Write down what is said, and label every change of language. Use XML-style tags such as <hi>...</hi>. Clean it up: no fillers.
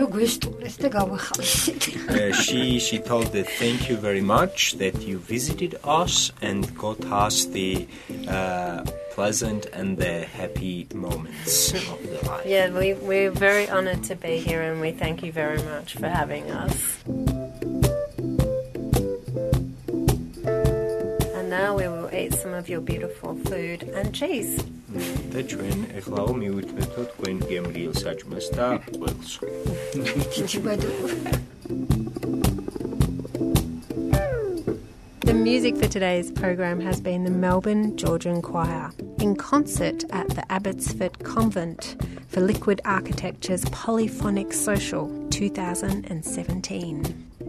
<en>She told that thank you very much that you visited us and got us the pleasant and the happy moments of the life. Yeah, we're very honored to be here and we thank you very much for having us. And now we will eat some of your beautiful food and cheese.</en> <ka>Და ჩვენ ახლა მივუტმეთო თქვენ გემრიელ საჭმას და ყველს.</ka> <en>The music for today's program has been the Melbourne Georgian Choir in concert at the Abbotsford Convent for Liquid Architecture's Polyphonic Social 2017.</en>